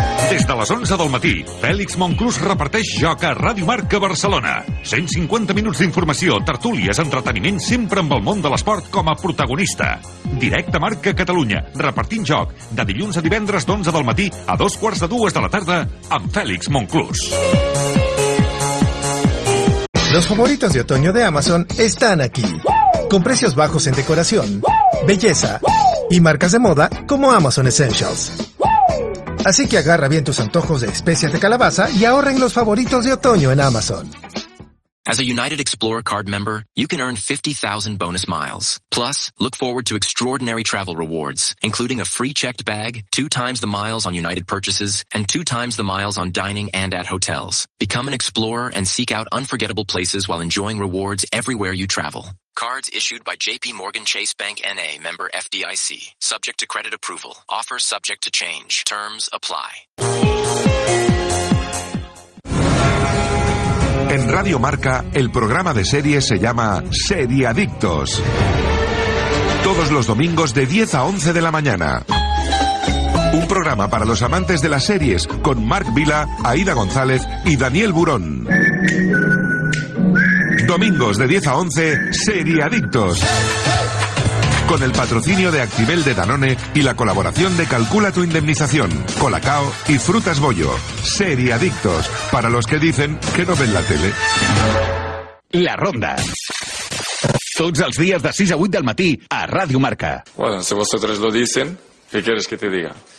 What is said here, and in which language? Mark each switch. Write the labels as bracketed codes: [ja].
[ca] Des de les 11 del matí, Fèlix Monclús reparteix joc a Ràdio Marca Barcelona. 150 minuts d'informació, tertúlies, entreteniment, sempre amb el món de l'esport com a protagonista. Directe Marca Catalunya, repartint joc, de dilluns a divendres d'11 del matí a 2:45 de la tarda, amb Fèlix Monclús. [es] Los favoritos de otoño de Amazon están aquí. Con precios bajos en decoración, belleza y marcas de moda como Amazon Essentials. Así que agarra bien tus antojos de especias de calabaza y ahorren los favoritos de otoño en Amazon. [en] As a United Explorer card member, you can earn 50,000 bonus miles. Plus, look forward to extraordinary travel rewards, including a free checked bag, 2x the miles on United purchases, and 2x the miles on dining and at hotels. Become an explorer and seek out unforgettable places while enjoying rewards everywhere you travel. Cards issued by JP Morgan Chase Bank NA, member FDIC. Subject to credit approval. Offer subject to change. Terms apply. [es] En Radio Marca, el programa de series se llama Seriadictos. Todos los domingos de 10 a 11 de la mañana. Un programa para los amantes de las series con Marc Vila, Aída González y Daniel Burón. Domingos de 10 a 11, Seriadictos. Con el patrocinio de Actibel de Danone y la colaboración de Calcula tu Indemnización, Colacao y Frutas Bollo. Seriadictos, para los que dicen que no ven la tele. La Ronda. [ca] Tots els dies de 6 a 8 del matí a Radio Marca. [es] Bueno, si vosotros lo dicen, ¿qué quieres que te diga?